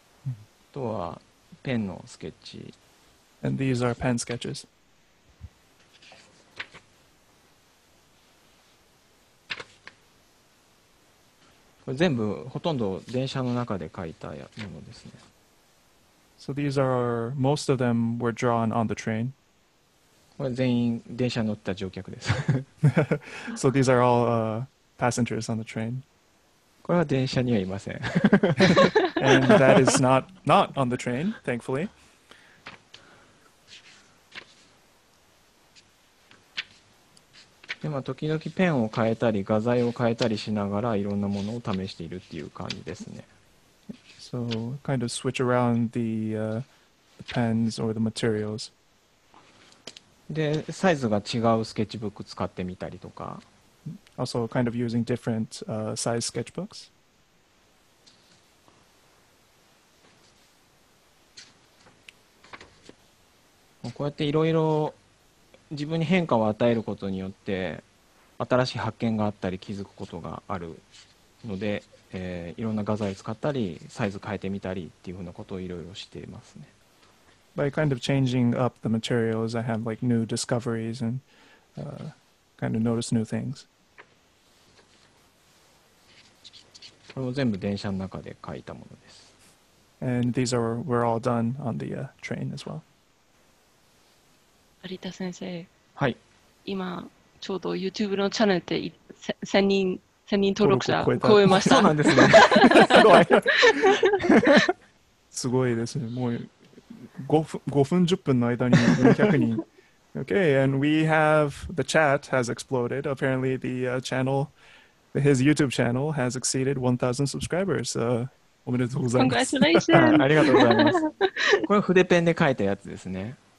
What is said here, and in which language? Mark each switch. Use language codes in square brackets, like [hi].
[ja] あとはペンのスケッチ。 [en] And these are pen sketches. [ja] これ全部ほとんど電車の中で書いたものですね。 [en] So these are, most of them were drawn on the train. [ja] これ全員電車に乗った乗客です。 [en] So these are all passengers on the train. [ja] これは電車にはいません。 [en] And that is not on the train, thankfully. Yeah, [ja] で、まあ、時々ペンを変えたり画材を変えたりしながらいろんなものを試しているっていう感じですね。 [en] So kind of switch around the pens or the materials. [ja] で、サイズが違うスケッチブック使ってみたりとか。 [en] Also kind of using different size sketchbooks. [ja] こうやっていろいろ自分に変化を与えることによって新しい発見があったり気づくことがあるので、いろんな画材を使ったりサイズ変えてみたりっていうふうなことをいろいろしていますね。 [en] By kind of changing up the materials, I have like new discoveries and kind of notice new things. [ja] これも全部電車の中で描いたものです。 [en] And these are, were all done on the train as well. [ja] 有田先生、はい、今ちょうど YouTube のチャンネルで1000人登録者超えました。そうなんですね。すごい。すごいですね。もう5分10分の間に400人。 [en] Okay, and we have the chat has exploded. Apparently the channel, his YouTube channel has exceeded 1,000 subscribers. [ja] おめでとうございます。 [en] Congratulations. [ja] ありがとうございます。これ筆ペンで書いたやつですね。